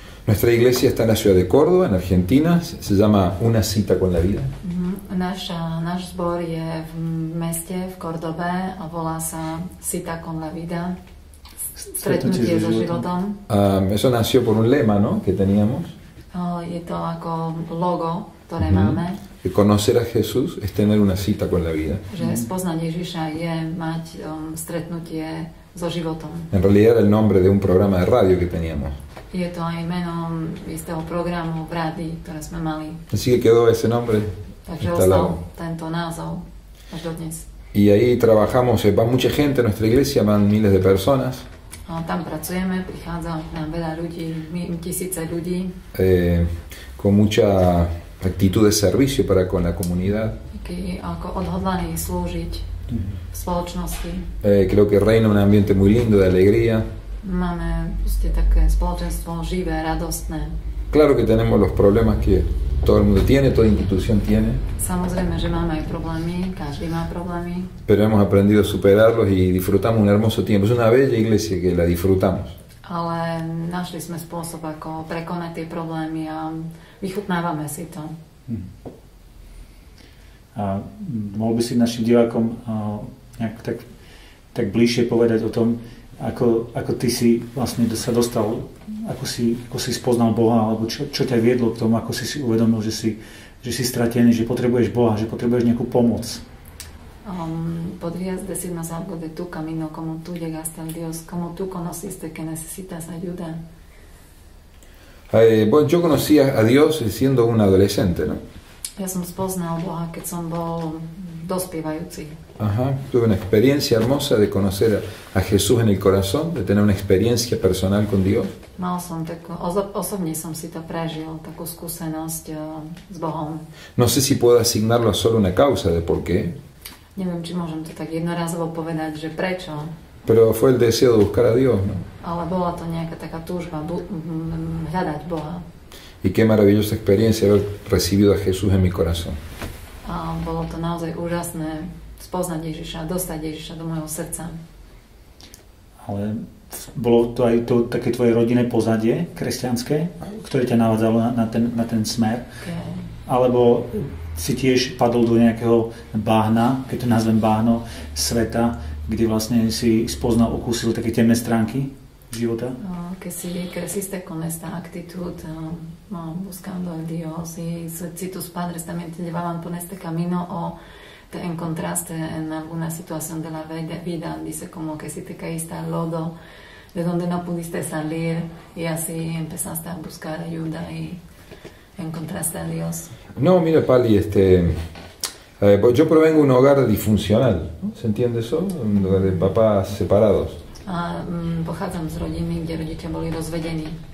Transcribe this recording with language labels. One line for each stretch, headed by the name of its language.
Spanish: Nuestra iglesia está en la ciudad de Córdoba, en Argentina. Se llama Una cita con la vida.
Slovak: Náš zbor je v meste, v Córdobe, a volá sa Cita con la vida. Stretnutie so životom.
Spanish: Eso nació por un lema, ¿no?, que teníamos.
Slovak: Je to ako logo, ktoré máme.
Spanish: Que conocer a Jesús es tener una cita con la vida.
Slovak: Že spoznať Ježiša je mať stretnutie so životom.
Spanish: En realidad era el nombre de un programa de radio que teníamos.
Slovak: Je to aj meno istého programu v rádii, ktoré sme mali.
Spanish: Así que quedó ese nombre.
Slovak: Takže ostal tento názov až do dnes.
Spanish: Y ahí trabajamos, va mucha gente en nuestra iglesia, van miles de personas.
Slovak: A tam pracujeme, prichádza nám veľa ľudí, tisíce ľudí.
Spanish: Con mucha actitud de servicio para con la comunidad.
Slovak: Ako odhodlaní slúžiť v spoločnosti.
Spanish: Creo que reina un ambiente muy lindo de alegría.
Slovak: Máme proste také spoločenstvo živé, radostné.
Spanish: Claro que tenemos los problemas que todo el mundo tiene, toda institución tiene.
Slovak: Samozrejme, že máme aj problémy, každý má problémy.
Spanish: Pero hemos aprendido a superarlos y disfrutamos un hermoso tiempo. Es una bella iglesia que la disfrutamos.
Slovak: ale našli sme spôsob, ako prekonať tie problémy a vychutnávame si to. A mohol by si našim divákom nejak tak bližšie povedať o tom, ako ty si vlastne sa dostal, ako si spoznal Boha, alebo čo ťa viedlo k tomu, ako si si uvedomil, že si stratený, že potrebuješ Boha, že potrebuješ nejakú pomoc.
Spanish: Podrías decir más algo de tu camino, como tú llegaste al Dios, como tú conociste que necesitas ayuda. Bueno, yo conocí a Dios siendo un adolescente, ¿no?
Slovak: Ja som spoznal Boha, keď som bol dospievajúci.
Spanish: Ajá, tuve una experiencia hermosa de conocer a Jesús en el corazón, de tener una experiencia personal con Dios.
Slovak: Mal som takú, osobne som si to prežil, takú skúsenosť s Bohom.
Spanish: No sé si puedo asignarlo a solo una causa de por qué.
Slovak: Neviem, či môžem to tak jednorazovo povedať, že prečo.
Spanish: Pero fue el deseo de buscar a Dios, ¿no?
Slovak: Ale bola to nejaká taká túžba hľadať Boha.
Spanish: Y qué maravillosa experiencia haber recibido a Jesús en mi corazón.
Slovak: A bolo to naozaj úžasné spoznať Ježiša, dostať Ježiša do môjho srdca. Ale bolo to aj to také tvoje rodinné pozadie kresťanské, ktoré ťa navádzalo na ten smer?
English: Okay.
Slovak: Alebo si tiež padol do nejakého bahna, keď to nazvem bahno, sveta, kde vlastne si spoznal, okúsil také temné stránky života? Keď si kresíš takú
Spanish: nesta aktitúd, buscando a Dios y citus padres, también te llevaban por este camino o te encontraste en alguna situación de la vida, dice como que si te caíste al lodo, de donde no pudiste salir y así empezaste a buscar ayuda y encontraste a Dios. No, mira, Pali, yo provengo de un hogar disfuncional, ¿no? ¿Se entiende eso? Un hogar de papás separados.
Slovak: Pochádzam z rodiny, kde rodičia boli rozvedení.